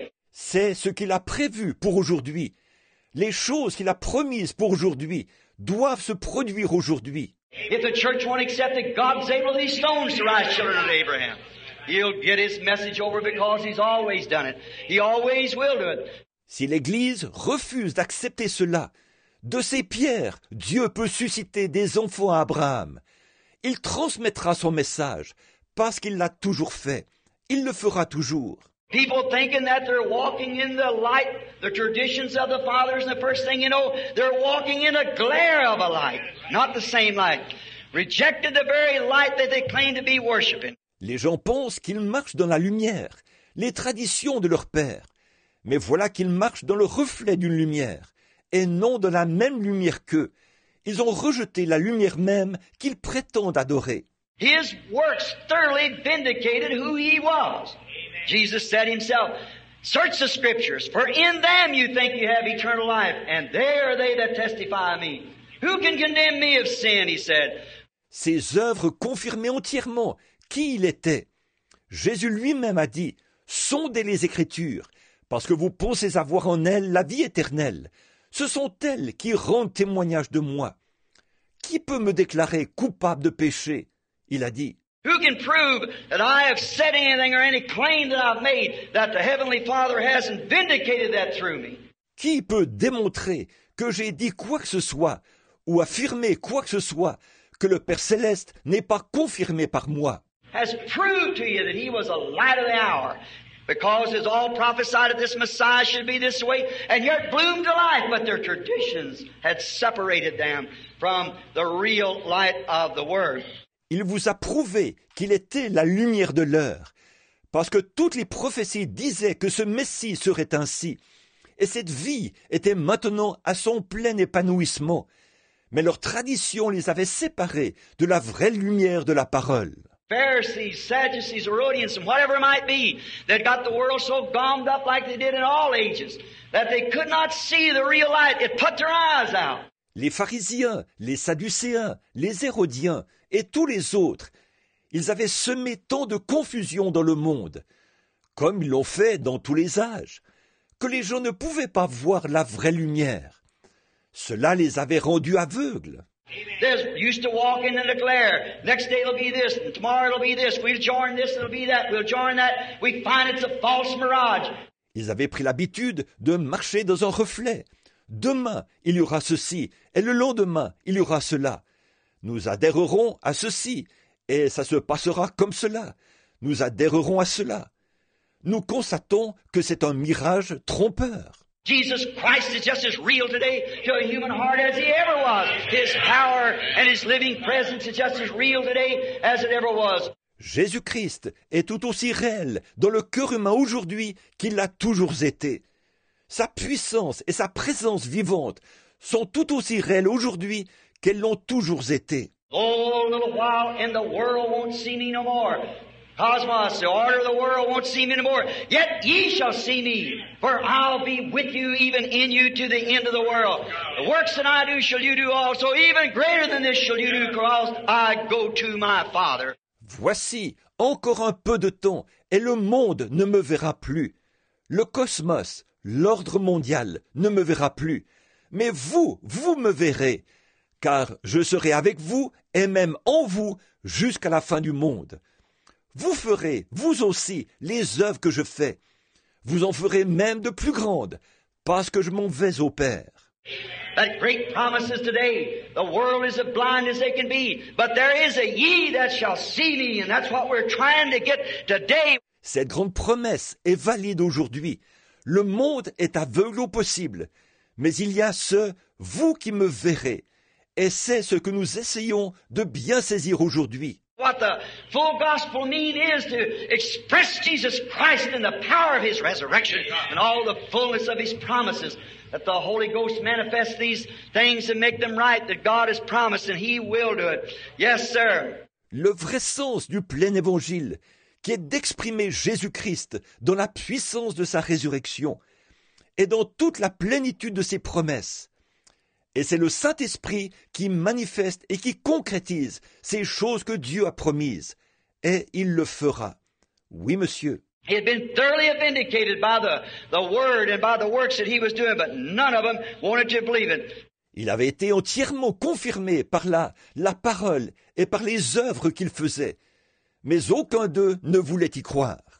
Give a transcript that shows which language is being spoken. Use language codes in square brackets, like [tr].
[fr] C'est ce qu'il a prévu pour aujourd'hui. Les choses qu'il a promises pour aujourd'hui doivent se produire aujourd'hui. [en] If the church won't accept that God's able these stones to rise children of Abraham, he'll get his message over because he's always done it. He always will do it. [fr] Si l'Église refuse d'accepter cela, de ces pierres, Dieu peut susciter des enfants à Abraham. Il transmettra son message, parce qu'il l'a toujours fait. Il le fera toujours. [en] People thinking that they're walking in the light, the traditions of the fathers, and the first thing you know, they're walking in a glare of a light, not the same light. Rejected the very light that they claim to be worshiping. [fr] Les gens pensent qu'ils marchent dans la lumière, les traditions de leur père. Mais voilà qu'ils marchent dans le reflet d'une lumière. Et non de la même lumière qu'eux. Ils ont rejeté la lumière même qu'ils prétendent adorer. [en] His works thoroughly vindicated who he was. Amen. Jesus said himself, search the scriptures, for in them you think you have eternal life, and they are they that testify of me. Who can condemn me of sin, he said. [fr] Ses œuvres confirmaient entièrement qui il était. Jésus lui-même a dit, sondez les écritures, parce que vous pensez avoir en elles la vie éternelle. Ce sont elles qui rendent témoignage de moi. Qui peut me déclarer coupable de péché? Il a dit. [en] Who can prove that I have said anything or any claim that I've made that the Heavenly Father hasn't vindicated that through me? [fr] Qui peut démontrer que j'ai dit quoi que ce soit ou affirmé quoi que ce soit que le Père Céleste n'ait pas confirmé par moi? [en] has proved to you that he was the light of the hour, because it's all prophesied that this Messiah should be this way, and yet bloomed to life, but their traditions had separated them from the real light of the Word. [fr] Il vous a prouvé qu'il était la lumière de l'heure, parce que toutes les prophéties disaient que ce Messie serait ainsi, et cette vie était maintenant à son plein épanouissement, mais leurs traditions les avaient séparés de la vraie lumière de la parole. [en] Pharisees, Sadducees, Herodians, and whatever it might be, that got the world so gommed up like they did in all ages, that they could not see the real light, it put their eyes out. [fr] Les pharisiens, les sadducéens, les hérodiens et tous les autres, ils avaient semé tant de confusion dans le monde, comme ils l'ont fait dans tous les âges, que les gens ne pouvaient pas voir la vraie lumière. Cela les avait rendus aveugles. [en] There's used to walk in the glare. Next day it'll be this, and tomorrow it'll be this. We'll join this, it'll be that. We'll join that. We find it's a false mirage. [fr] Ils avaient pris l'habitude de marcher dans un reflet. Demain, il y aura ceci, et le lendemain, il y aura cela. Nous adhérerons à ceci, et ça se passera comme cela. Nous adhérerons à cela. Nous constatons que c'est un mirage trompeur. [en] Jesus Christ is just as real today to a human heart as he ever was. His power and his living presence is just as real today as it ever was. [fr] Jésus-Christ est tout aussi réel dans le cœur humain aujourd'hui qu'il l'a toujours été. Sa puissance et sa présence vivante sont tout aussi réelles aujourd'hui qu'elles l'ont toujours été. [en] Oh, a little while and the world won't see me no more. Cosmos, the order of the world won't see me anymore. Yet ye shall see me, for I'll be with you, even in you, to the end of the world. The works that I do shall you do also, even greater than this shall you do, because I go to my Father. [fr] Voici encore un peu de temps, et le monde ne me verra plus. Le cosmos, l'ordre mondial, ne me verra plus. Mais vous, vous me verrez, car je serai avec vous, et même en vous, jusqu'à la fin du monde. Vous ferez, vous aussi, les œuvres que je fais. Vous en ferez même de plus grandes, parce que je m'en vais au Père. [en] That great promise is today. The world is as blind as they can be. But there is a ye that shall see me, and that's what we're trying to get today. [fr] Cette grande promesse est valide aujourd'hui. Le monde est aveugle au possible. Mais il y a ce « vous qui me verrez ». Et c'est ce que nous essayons de bien saisir aujourd'hui. [en] What the full gospel means is to express Jesus Christ in the power of his resurrection and all the fullness of his promises, that the Holy Ghost manifests these things and make them right, that God has promised and he will do it. Yes, sir. [fr] Le vrai sens du plein évangile, qui est d'exprimer Jésus-Christ dans la puissance de sa résurrection et dans toute la plénitude de ses promesses. Et c'est le Saint-Esprit qui manifeste et qui concrétise ces choses que Dieu a promises. Et il le fera. Oui, monsieur. [en] He had been thoroughly vindicated by the word and by the works that he was doing, but none of them wanted to believe it. [fr] Il avait été entièrement confirmé par la parole et par les œuvres qu'il faisait. Mais aucun d'eux ne voulait y croire.